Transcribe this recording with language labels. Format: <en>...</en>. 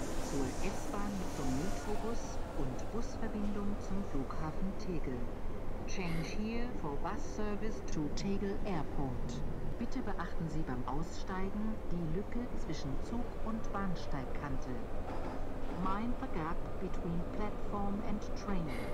<de>Zur S-Bahn zum Metrobus und Busverbindung zum Flughafen Tegel.</de> <en>Change here for bus service to Tegel Airport.</en> <de>Bitte beachten Sie beim Aussteigen die Lücke zwischen Zug- und Bahnsteigkante.</de> <en>Mind the gap between platform and train.</en>